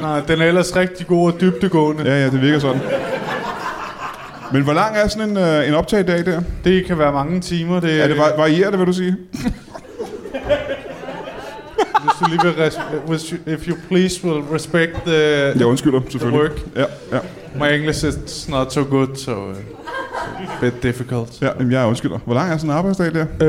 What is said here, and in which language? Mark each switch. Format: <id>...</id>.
<da>Nej, den er ellers rigtig god og dybdegående. Ja, det virker sådan. Men hvor lang er sådan en optagedag der? Det kan være mange timer. Det... Ja, det varierer det, vil du sige? Hvis du lige vil</da> <en>if you please will respect the...</en> <da>Jeg undskylder, selvfølgelig.</da> <en>Work.</en> <da>Ja, ja.</da> <en>My English is not so good, so... Bit difficult.</en> <da>Ja, jamen jeg undskylder. Hvor lang er sådan en arbejdsdag der?</da>